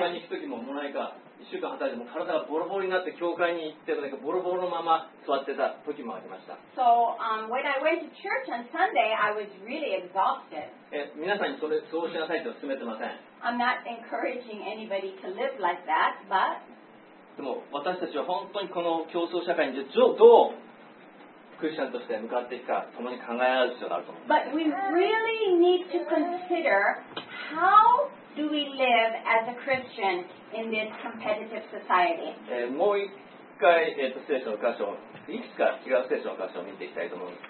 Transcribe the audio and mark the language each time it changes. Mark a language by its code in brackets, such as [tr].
[ja] 教会に行くときも、もないか、一週間働いても体がボロボロになって教会に行って、なんかボロボロのまま座ってた時もありました。 [en] So, when I went to church on Sunday, I was really exhausted. [ja] 皆さんにそうしなさいと勧めてません。 [en] I'm not encouraging anybody to live like that, but... [ja] でも私たちは本当にこの競争社会にどうクリスチャンとして向かっていくか、共に考え合う必要があると思います。 [en] But we really need to consider how do we live as a Christian in this competitive society. [ja] もう一回、聖書の箇所、いくつか違う聖書の箇所を見ていきたいと思います。